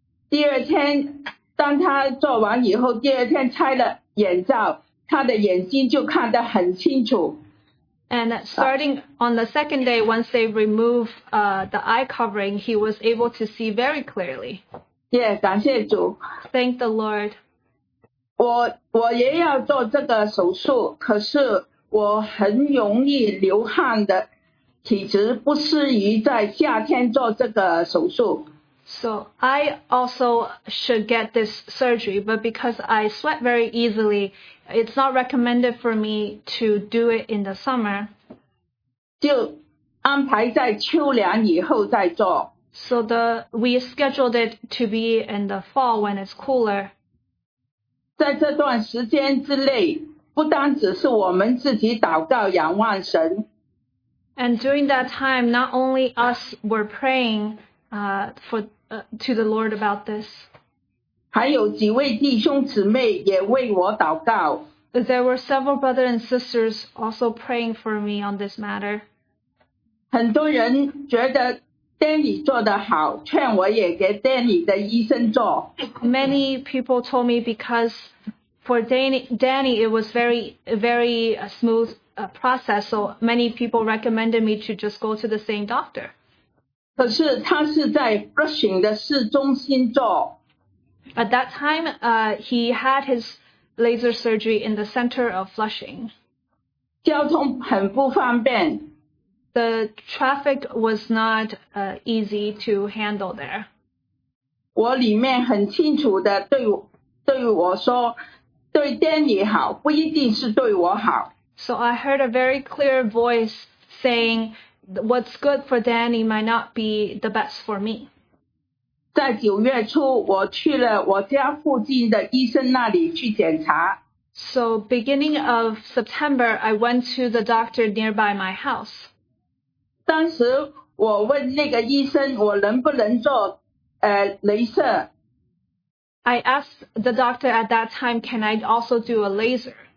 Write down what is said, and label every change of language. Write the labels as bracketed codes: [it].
[zh] 第二天，当他做完以后，第二天拆了眼罩，他的眼睛就看得很清楚。 [en] And starting on the second day, once they remove the eye covering, he was able to see very clearly. [zh] Yeah, 感谢主。 [en] Thank the Lord. [zh] 我也要做这个手术，可是我很容易流汗的。体质不适宜在夏天做这个手术。 [en] So I also should get this surgery, but because I sweat very easily, it's not recommended for me to do it in the summer. [zh] 就安排在秋凉以后再做。 [en] So we scheduled it to be in the fall when it's cooler. [zh] 在这段时间之内，不单只是我们自己祷告仰望神。 [en] And during that time, not only us were praying to the Lord about this. [zh] 还有几位弟兄姊妹也为我祷告。 [en] There were several brothers and sisters also praying for me on this matter. [zh] 很多人觉得 Danny 做得好，劝我也给 Danny 的医生做。 [en] Many people told me because for Danny it was very, very smooth. Process, so many people recommended me to just go to the same doctor. [zh] 可是他是在 Flushing 的市中心做。 [en] At that time, he had his laser surgery in the center of Flushing. [zh] 交通很不方便。 [en] The traffic was not easy to handle there. [zh] 我里面很清楚的对我说，对 Danny 好，不一定是对我好。 [en] So I heard a very clear voice saying, what's good for Danny might not be the best for me. [zh] 在九月初我去了我家附近的医生那里去检查。 [en] So beginning of September, I went to the doctor nearby my house. [zh] 当时我问那个医生我能不能做雷射。 [en] I asked the doctor at that time, can I also do a laser?